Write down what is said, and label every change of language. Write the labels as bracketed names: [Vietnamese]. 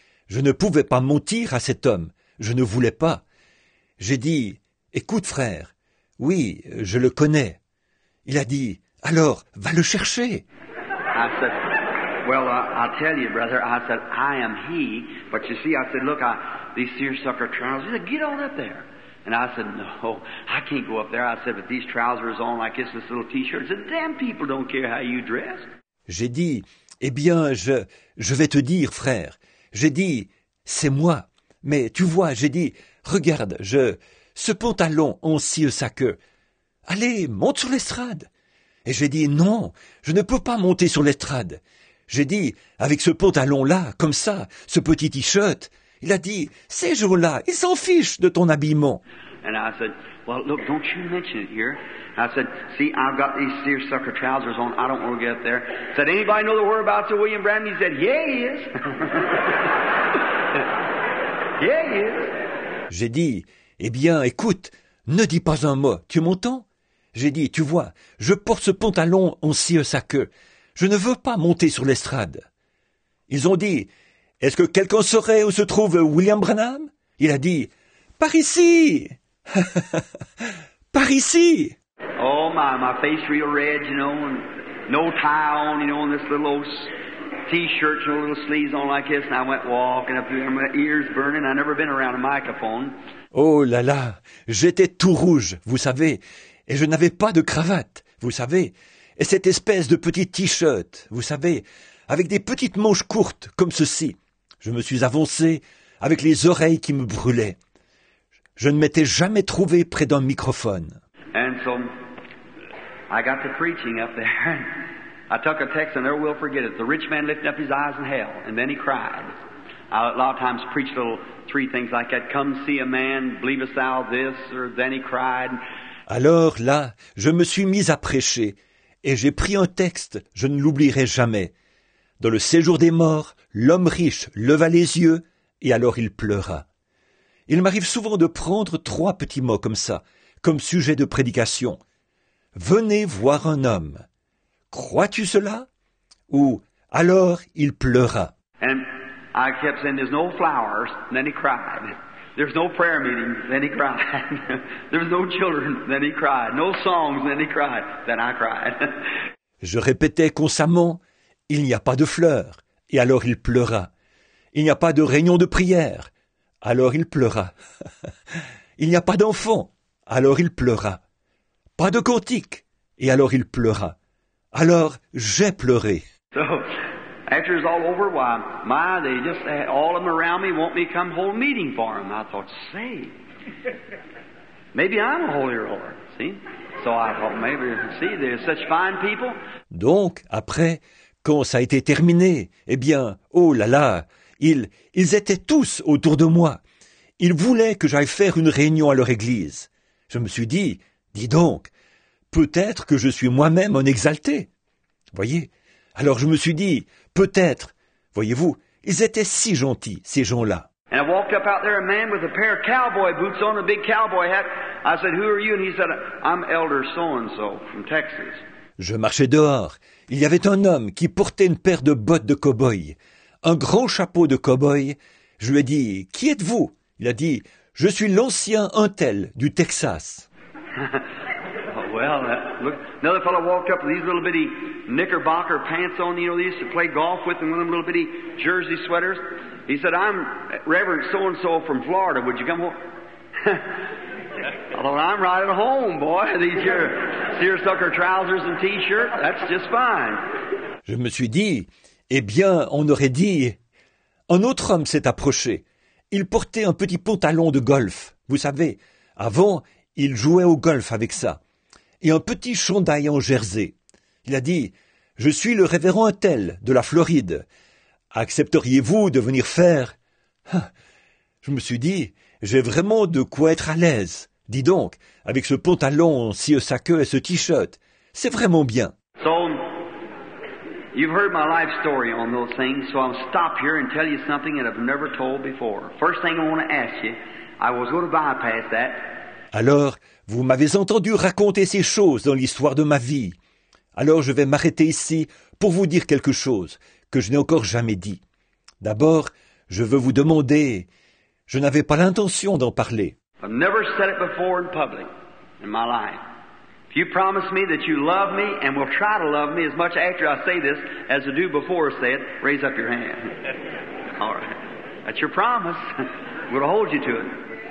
[French] Je ne pouvais pas mentir à cet homme. Je ne voulais pas. J'ai dit, "Écoute, frère, oui, je le connais." Il a dit, "Alors, va le chercher." [English] I said, "Well, I'll tell you, brother. I said, I am he. But you see, I said, look, these seersucker trousers." He said, "Get on up there." And I said, "No, I can't go up there." I said, "But these trousers on, like this little t-shirt." He said, "Damn people don't care how you dress." [French] J'ai dit, "Eh bien, je vais te dire, frère." J'ai dit, "C'est moi. Mais tu vois," j'ai dit, "regarde, ce pantalon en seersucker. Allez, monte sur l'estrade." Et j'ai dit, "Non, je ne peux pas monter sur l'estrade." J'ai dit, "Avec ce pantalon-là, comme ça, ce petit t-shirt." Il a dit, "Ces gens-là, ils s'en fichent de ton habillement." [English] And I said, "Well, look, don't you mention it here." I said, "See, I've got these seersucker trousers on. I don't want to get up there." I said, "Anybody know the whereabouts of William Branham?" He said, "Yeah, he is." "Yeah, he is." [French] J'ai dit, "Eh bien, écoute, ne dis pas un mot. Tu m'entends?" J'ai dit, "Tu vois, je porte ce pantalon en seersucker. Je ne veux pas monter sur l'estrade." Ils ont dit, "Est-ce que quelqu'un saurait où se trouve William Branham?" Il a dit, "Par ici." "Par ici." [English] Oh, my face real red, you know, and no tie on, you know, and this little old t-shirt and a little sleeves on like this. And I went walking up there, my ears burning. I've never been around a microphone. [French] Oh là là, j'étais tout rouge, vous savez, et je n'avais pas de cravate, vous savez. Et cette espèce de petit t-shirt, vous savez, avec des petites manches courtes, comme ceci. Je me suis avancé avec les oreilles qui me brûlaient. Je ne m'étais jamais trouvé près d'un microphone. [English] And so, I got the preaching up there. I took a text and never will forget it. The rich man lifted up his eyes in hell, and then he cried. I a lot of times preach little three things like that. Come see a man, believest thou this, or then he cried. [French] Alors là, je me suis mis à prêcher. Et j'ai pris un texte, je ne l'oublierai jamais. Dans le séjour des morts, l'homme riche leva les yeux et alors il pleura. Il m'arrive souvent de prendre trois petits mots comme ça, comme sujet de prédication. Venez voir un homme. Crois-tu cela? Ou alors il pleura. [English] And I kept saying, there's no flowers, and then he cried. There's no prayer meeting, then he cried. There's no children, then he cried. No songs, then he cried. Then I cried. [French] Je répétais constamment, il n'y a pas de fleurs. Et alors il pleura. Il n'y a pas de réunion de prière. Alors il pleura. Il n'y a pas d'enfants. Alors il pleura. Pas de cantique. Et alors il pleura. Alors j'ai pleuré. [English] So, after it's all over, why, my, they just, all of them around me want me to come hold a meeting for them. I thought, say, maybe I'm a holy roller, see? So I thought, maybe, see, they're such fine people. [French] Donc, après, quand ça a été terminé, eh bien, oh là là, ils étaient tous autour de moi. Ils voulaient que j'aille faire une réunion à leur église. Je me suis dit, dis donc, peut-être que je suis moi-même un exalté. Voyez? Alors je me suis dit, peut-être, voyez-vous, ils étaient si gentils, ces gens-là. [English] And I walked up out there, a man with a pair of cowboy boots on, a big cowboy hat. I said, "Who are you?" And he said, "I'm Elder so-and-so from Texas." [French] Je marchais dehors. Il y avait un homme qui portait une paire de bottes de cow-boy, un grand chapeau de cow-boy. Je lui ai dit, "Qui êtes-vous?" Il a dit, "Je suis l'ancien untel du Texas." [English] Well, look, another fellow walked up with these little bitty knickerbocker pants on, you know, they used to play golf with, and one of them little bitty jersey sweaters. He said, "I'm Reverend so-and-so from Florida. Would you come home?" I thought, "I'm right at home, boy. These here seersucker trousers and t-shirt, that's just fine." [French] Je me suis dit, eh bien, on aurait dit, un autre homme s'est approché. Il portait un petit pantalon de golf. Vous savez, avant, il jouait au golf avec ça. Et un petit chandail en jersey. Il a dit « Je suis le révérend Untel de la Floride. Accepteriez-vous de venir faire ?» Je me suis dit « J'ai vraiment de quoi être à l'aise. Dis donc, avec ce pantalon, si sa queue et ce t-shirt, c'est vraiment bien. » [English] You've heard my life story on those things, so I'll stop here and tell you something that I've never told before. First thing I want to ask you, I was going to bypass that. [French] Alors, vous m'avez entendu raconter ces choses dans l'histoire de ma vie. Alors je vais m'arrêter ici pour vous dire quelque chose que je n'ai encore jamais dit. D'abord, je veux vous demander, je n'avais pas l'intention d'en parler. [English] I've never said it before in public in my life. You promise me that you love me and will try to love me as much after I say this as I do before I say it. Raise up your hand. All right. That's your promise. I'm going to hold you to it.